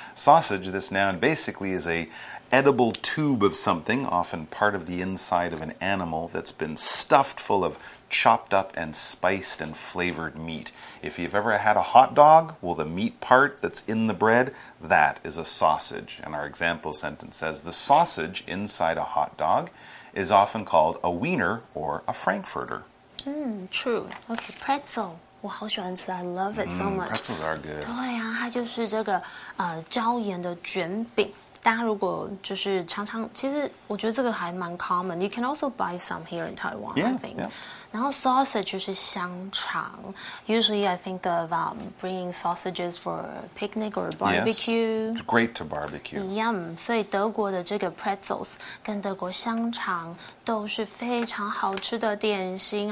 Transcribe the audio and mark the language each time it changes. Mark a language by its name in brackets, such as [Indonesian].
[English] Sausage, this noun, basically is a edible tube of something, often part of the inside of an animal that's been stuffed full of chopped up and spiced and flavored meat. If you've ever had a hot dog, well, the meat part that's in the bread, that is a sausage. And our example sentence says, the sausage inside a hot dog is often called a wiener or a frankfurter. true. Okay, pretzel. [Chinese] 我好喜欢吃 [English] I love it so much. Pretzels are good. [Chinese] 对啊，它就是这个椒盐的卷饼。大家如果就是常常，其实我觉得这个还蛮 common. [English] You can also buy some here in Taiwan, yeah, I think. Yeah. [Chinese] 然后 sausage 就是香肠。 [English] Usually I think of bringing sausages for picnic or barbecue. Yes, great to barbecue. [Chinese] Yum. 所以德国的这个 pretzels 跟德国香肠都是非常好吃的点心。